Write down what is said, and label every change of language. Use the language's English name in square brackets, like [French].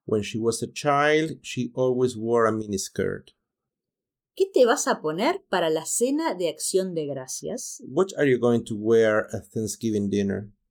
[English] When she was a child, she always wore a miniskirt. [Spanish] ¿Qué te vas a poner para la cena de Acción de Gracias? [English] What are you going to wear at Thanksgiving dinner?